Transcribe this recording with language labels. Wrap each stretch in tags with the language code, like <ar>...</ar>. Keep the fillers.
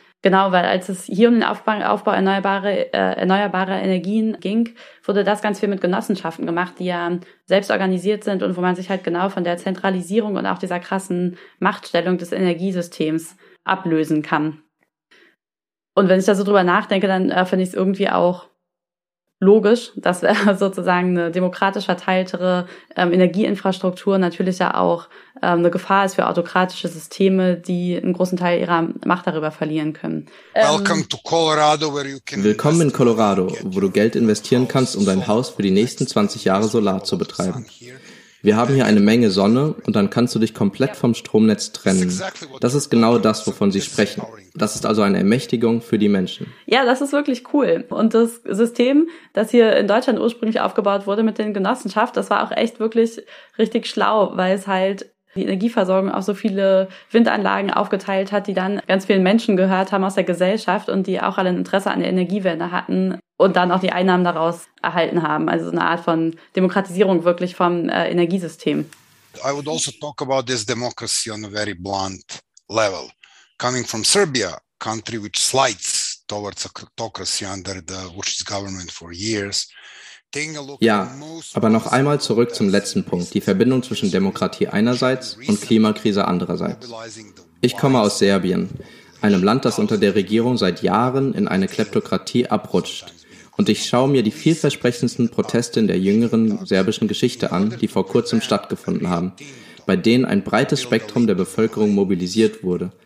<de>Genau, weil als es hier um den Aufbau, Aufbau erneuerbarer, äh, erneuerbarer Energien ging, wurde das ganz viel mit Genossenschaften gemacht, die ja selbst organisiert sind und wo man sich halt genau von der Zentralisierung und auch dieser krassen Machtstellung des Energiesystems ablösen kann. Und wenn ich da so drüber nachdenke, dann äh, finde ich es irgendwie auch logisch, dass wir sozusagen eine demokratisch verteiltere ähm, Energieinfrastruktur natürlich ja auch ähm, eine Gefahr ist für autokratische Systeme, die einen großen Teil ihrer Macht darüber verlieren können.</de> <en>Welcome to Colorado, where you can</en> <de>Willkommen in Colorado, wo du Geld investieren kannst, um dein Haus für die nächsten 20 Jahre Solar zu betreiben. Wir haben hier eine Menge Sonne und dann kannst du dich komplett vom Stromnetz trennen. Das ist genau das, wovon sie sprechen. Das ist also eine Ermächtigung für die Menschen. Ja, das ist wirklich cool. Und das System, das hier in Deutschland ursprünglich aufgebaut wurde mit den Genossenschaften, das war auch echt wirklich richtig schlau, weil es halt die Energieversorgung auf so viele Windanlagen aufgeteilt hat, die dann ganz vielen Menschen gehört haben aus der Gesellschaft und die auch alle ein Interesse an der Energiewende hatten und dann auch die Einnahmen daraus erhalten haben. Also so eine Art von Demokratisierung wirklich vom äh, Energiesystem.</de> <en>I would also talk about this democracy on a very blunt level. Coming from Serbia, country which slides towards autocracy under the Vucic government for years,</en> <de>ja, aber noch einmal zurück zum letzten Punkt, die Verbindung zwischen Demokratie einerseits und Klimakrise andererseits. Ich komme aus Serbien, einem Land, das unter der Regierung seit Jahren in eine Kleptokratie abrutscht. Und ich schaue mir die vielversprechendsten Proteste in der jüngeren serbischen Geschichte an, die vor kurzem stattgefunden haben, bei denen ein breites Spektrum der Bevölkerung mobilisiert wurde.</de>